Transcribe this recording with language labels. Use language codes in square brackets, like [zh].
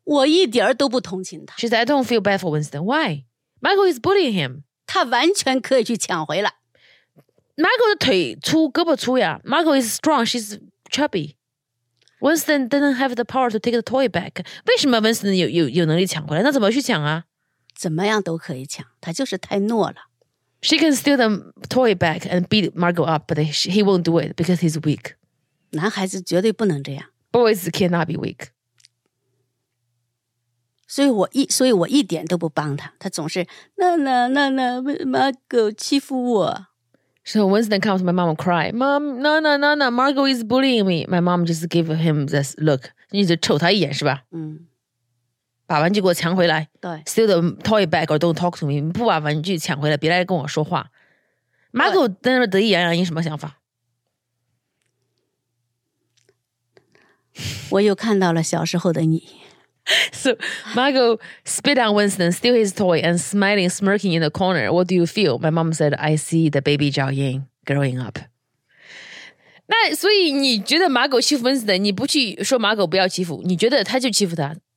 [zh] 我一点都不同情他。 [en] She said, I don't feel bad for Winston. Why? Margot is bullying him. [zh] 他完全可以去抢回来。 Margot的腿粗, 胳膊粗呀。 [en] Margot is strong, she's chubby. Winston didn't have the power to take the toy back. [zh] 为什么Winston有能力抢回来?那怎么去抢啊? 怎么样都可以抢, 他就是太懦了。 [en] She can steal the toy back and beat Margot up, but he won't do it because he's weak. [zh] 男孩子绝对不能这样。 [en] Boys cannot be weak. [zh] 所以我一点都不帮他, 他总是那那那那, Margot 欺负我。 [en] So Winston comes to my mom and cry, Mom, no, no, no, no, Margot is bullying me. My mom just gave him this look. [zh] 你只瞅他一眼是吧? 把玩具给我抢回来。对。 [en] Steal the toy back or don't talk to me. [zh] 不把玩具抢回来, 别来跟我说话。 Margot得意洋洋,你什么想法? 我又看到了小时候的你。 [en] So Margot spit on Winston, steal his toy, and smiling, smirking in the corner. What do you feel? My mom said, I see the baby Jiaoying growing up. [zh] 那所以你觉得Margot欺负Winston, 你不去说Margot不要欺负, 你觉得他就欺负他?